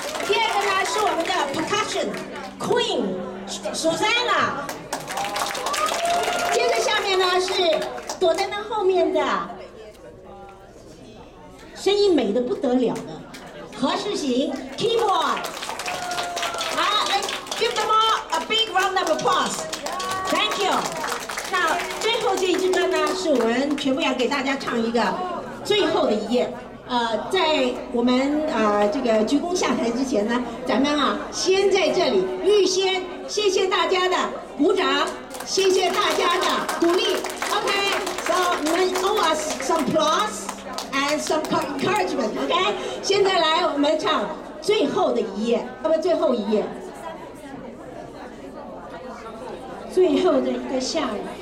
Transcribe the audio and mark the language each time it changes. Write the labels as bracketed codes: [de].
[zh] 第二个呢是我们的 [en] Percussion Queen [zh] 苏珊娜。接着下面呢是躲在那后面的，声音美得不得了的何世行 Keyboard。好，来 [en] Give them all a big round of applause. Thank you。 [zh] 那最后这一支歌呢是我们全部要给大家唱一个最后的一页。在我们这个鞠躬下台之前呢，咱们啊先在这里预先谢谢大家的鼓掌，谢谢大家的鼓励。 [en] OK, so you owe us some applause and some encouragement. [zh] OK, 现在来我们唱最后的一页，啊不，最后一页，最后的一个下午。